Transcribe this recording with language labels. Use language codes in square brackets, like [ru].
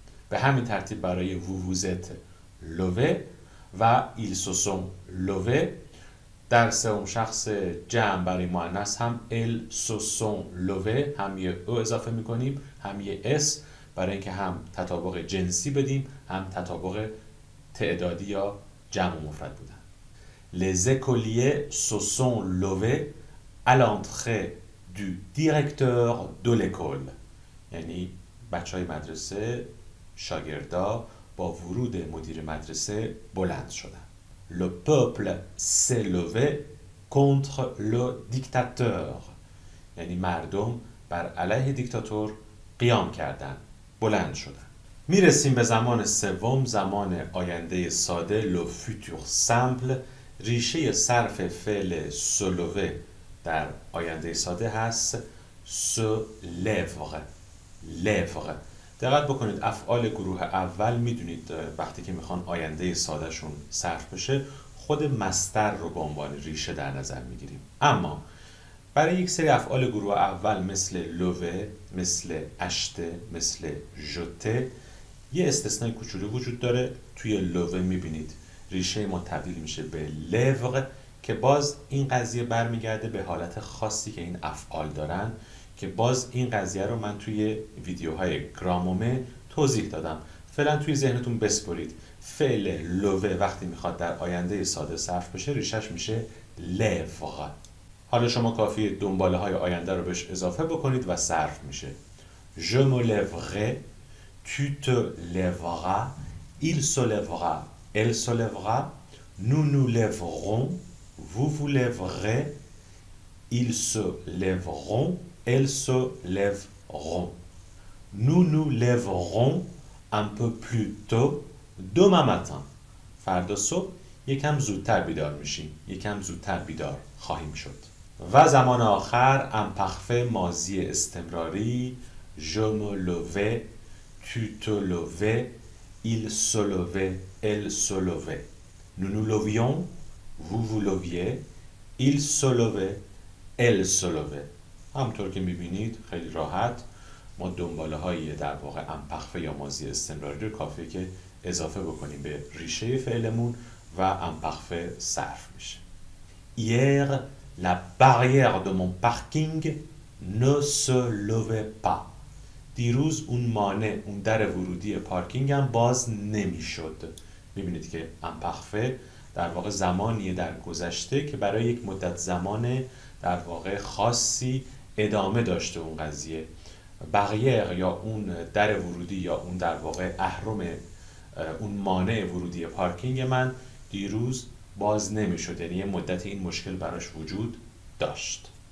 [fa] به همین ترتیب برای ووووزت لووه و ایلسوسوم لووه در سوم شخص جمع برای مؤنث هم ال سو سون لووه هم یه او اضافه میکنیم، هم یه اس برای اینکه هم تطابق جنسی بدیم هم تطابق تعدادی یا جمع و مفرد بودن. [fr] Les écoliers se sont levés à l'entrée du directeur de l'école. [fa] یعنی بچه های مدرسه، شاگردا با ورود مدیر مدرسه بلند شدن. [fr] Le peuple s'est levé contre le dictateur. [fa] یعنی مردم بر علیه دیکتاتور قیام کردن، بلند شدن. میرسیم به زمان سوم، زمان آینده ساده، le futur simple. ریشه صرف فعل سلووه در آینده ساده هست سو لفغ. لفغ دقت بکنید، افعال گروه اول میدونید وقتی که میخوان آینده ساده شون صرف بشه خود مستر رو به عنوان ریشه در نظر میگیریم، اما برای یک سری افعال گروه اول مثل لووه، مثل اشته، مثل جوته یه استثناء کوچولو وجود داره. توی لووه میبینید ریشه ما تبدیل میشه به لفغ که باز این قضیه برمیگرده به حالت خاصی که این افعال دارن، که باز این قضیه رو من توی ویدیوهای گرامومه توضیح دادم، فعلا توی ذهنتون بسپرید. فعل لووه وقتی میخواد در آینده ساده صرف بشه ریشهش میشه لفغ. حالا شما کافیه دنباله های آینده رو بهش اضافه بکنید و صرف میشه [fr] je me lèverai, tu te lèveras, il se lèvera, elle se lèvera, nous nous lèverons, vous vous lèverez, ils se lèveront, elles se lèveront. Nous nous lèverons un peu plus tôt demain matin. [fa] فردا صبح یکم زودتر بیدار میشیم، یکم زودتر بیدار خواهیم شد. و زمان آخر ام پخفه ماضی استمراری [fr] je me lève, tu te lève, il se lève, elle se levait. Nous nous levions, vous vous leviez, il se levait, elle se levait. [fa] همطور که میبینید خیلی راحت ما دنباله های در واقع امپخفه یا ماضی استمراری رو کافیه که اضافه بکنیم به ریشه فعلمون و امپخفه صرف میشه. [fr] Hier, la barrière de mon parking ne se levait pas. [fa] دیروز اون مانع، اون در ورودی پارکینگ هم باز نمیشد. میبینید که امپخفه در واقع زمانی در گذشته که برای یک مدت زمان در واقع خاصی ادامه داشته اون قضیه. بغیر یا اون در ورودی یا اون در واقع اهرم، اون مانع ورودی پارکینگ من دیروز باز نمیشد، یعنی یه مدت این مشکل براش وجود داشت.